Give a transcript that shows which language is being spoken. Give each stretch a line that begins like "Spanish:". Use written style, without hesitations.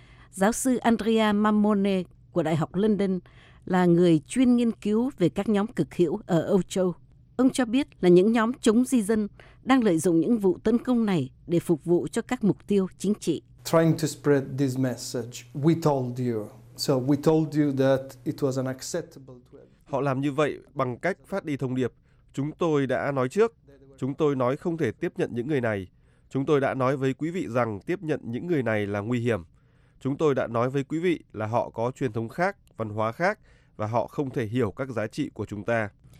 Vietnamese: Giáo sư Andrea Mamone của Đại học London là người chuyên nghiên cứu về các nhóm cực hữu ở Âu Châu. Ông cho biết là những nhóm chống di dân đang lợi dụng những vụ tấn công này để phục vụ cho các mục tiêu chính trị.
English: trying to spread this message. We told you. So we told you that it was unacceptable.
Vietnamese: Họ làm như vậy bằng cách phát đi thông điệp. Chúng tôi đã nói trước. Chúng tôi nói không thể tiếp nhận những người này. Chúng tôi đã nói với quý vị rằng tiếp nhận những người này là nguy hiểm. Chúng tôi đã nói với quý vị là họ có truyền thống khác, văn hóa khác và họ không thể hiểu các giá trị của chúng ta.